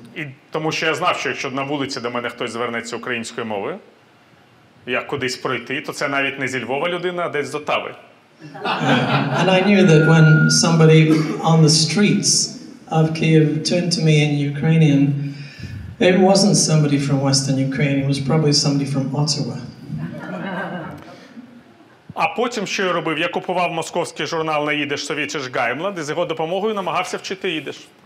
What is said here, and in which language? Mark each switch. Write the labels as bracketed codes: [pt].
[uk] І тому що я знав, що якщо на вулиці до мене хтось звернеться українською мовою, як кудись пройти, то це навіть не зі Львова людина, а десь з Отави. [en] And I knew that when somebody on the streets of Kyiv turned to me in Ukrainian, it wasn't somebody from Western Ukraine, it was probably somebody from Ottawa. [uk] А потім що я робив? Я купував московський журнал на ідиш «Совєтіш Гаймла», де з його допомогою намагався вчити ідиш.